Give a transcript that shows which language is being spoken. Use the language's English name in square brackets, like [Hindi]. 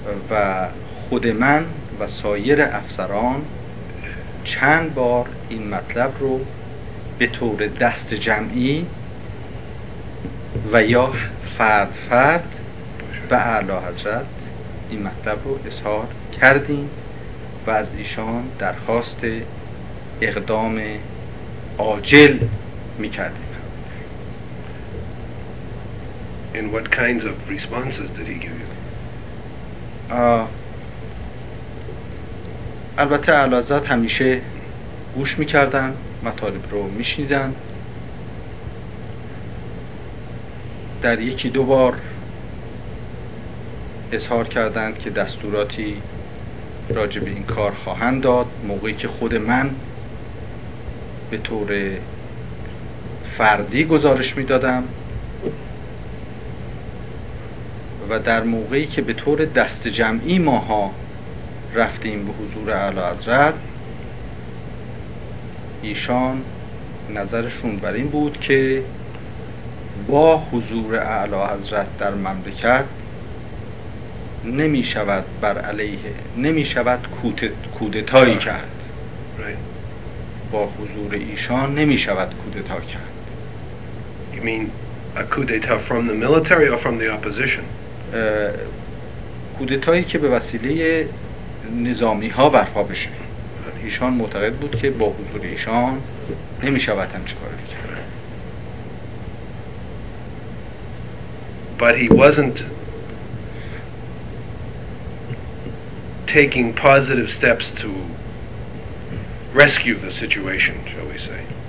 [Persian] و خود من و سایر افسران چند بار این مطلب رو به طور دست جمعی و یا فرد فرد به اعلی حضرت این مطلب رو اظهار کردیم و از ایشان درخواست اقدام عاجل می‌کردیم. [English] In what kinds of responses did he give you? [Persian] البته اعلی حضرت همیشه گوش میکردن، مطالب رو میشنیدن. در یکی دو بار اظهار کردند که دستوراتی راجع به این کار خواهند داد موقعی که خود من به طور فردی گزارش می دادم و در موقعی که به طور دست جمعی ماها رفتیم به حضور اعلی حضرت ایشان نظرشون بر این بود که با حضور اعلی حضرت در مملکت نمیشود بر علیه نمیشود کودتایی کرد با حضور ایشان نمیشود کودتا کرد. [English] You mean a coup d'etat from the military or from the opposition? [Persian] کودتایی که به وسیله نظامی ها برپا بشه. ایشان معتقد بود که با حضور ایشان نمیشود هم چیکار کرد. [English] But he wasn't taking positive steps to rescue the situation, shall we say.